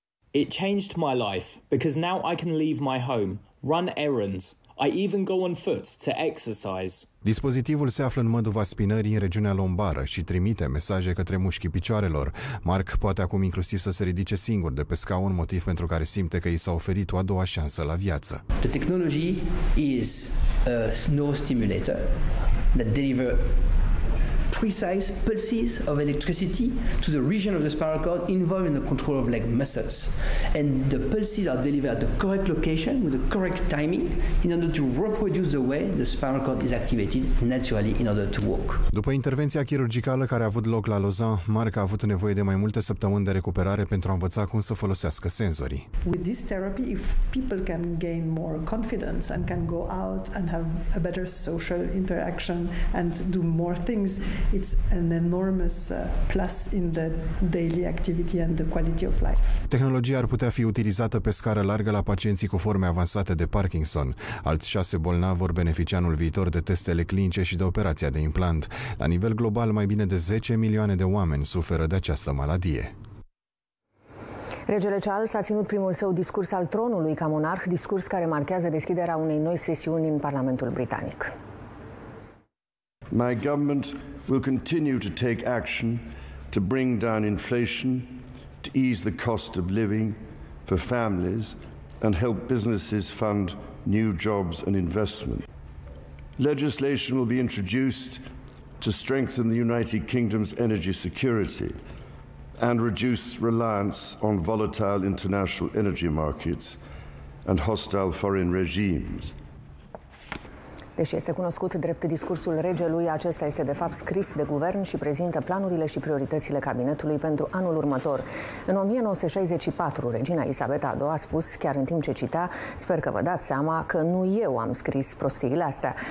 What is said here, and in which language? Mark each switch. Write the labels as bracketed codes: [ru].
[en] It changed my life because now I can leave my home, run errands, I even go on foot to exercise. [ro] Dispozitivul se află în măduva spinării în regiunea lombară și trimite mesaje către mușchii picioarelor. Marc poate acum inclusiv să se ridice singur de pe scaun, motiv pentru care simte că i s-a oferit o a doua șansă la viață. [en] The technology is a neurostimulator that deliver precise pulses of electricity to the region of the spinal cord involved in the control of leg muscles. And the pulses are delivered at the correct location with the correct timing in order to reproduce the way the spinal cord is activated naturally in order to walk. [ro] După intervenția chirurgicală care a avut loc la Lausanne, Marc a avut nevoie de mai multe săptămâni de recuperare pentru a învăța cum să folosească senzorii. [en] With this therapy, if people can gain more confidence and can go out and have a better social interaction and do more things, it's an enormous plus in the daily activity and the quality of life. [ro] Tehnologia ar putea fi utilizată pe scară largă la pacienții cu forme avansate de Parkinson. Alți 6 bolnavi vor beneficia anul viitor de testele clinice și de operația de implant. La nivel global, mai bine de 10 milioane de oameni suferă de această maladie. Regele Charles a ținut primul său discurs al tronului ca monarh, discurs care marchează deschiderea unei noi sesiuni în Parlamentul Britanic. [en] My government will continue to take action to bring down inflation, to ease the cost of living for families and help businesses fund new jobs and investment. Legislation will be introduced to strengthen the United Kingdom's energy security and reduce reliance on volatile international energy markets and hostile foreign regimes. [ro] Deși este cunoscut drept discursul regelui, acesta este de fapt scris de guvern și prezintă planurile și prioritățile cabinetului pentru anul următor. În 1964, regina Elisabeta II a spus, chiar în timp ce citea, sper că vă dați seama că nu eu am scris prostiile astea.